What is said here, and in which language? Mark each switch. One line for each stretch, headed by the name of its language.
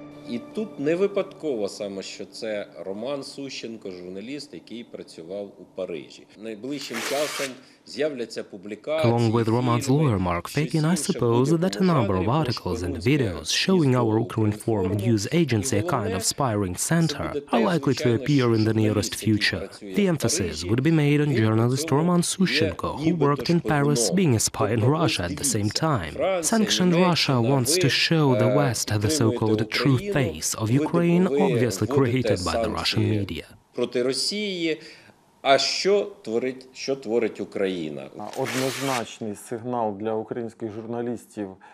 Ukrainian: І тут не випадково саме, що це Роман Сущенко, журналіст, який працював у Парижі. Найближчим часом з'являться публікації.
English: Along with Roman's lawyer Mark Fagin, I suppose that a number of articles and videos showing our Ukrinform news agency a kind of spying center are likely to appear in the nearest future. The emphasis would be made on journalist Roman Sущенко, who worked in Paris being a spy in Russia at the same time. Sanctioned Russia wants to show the West the so-called truth face of Ukraine, obviously created by the Russian media.
Ukrainian: Проти Росії, а що творить Україна? Однозначний сигнал для українських журналістів.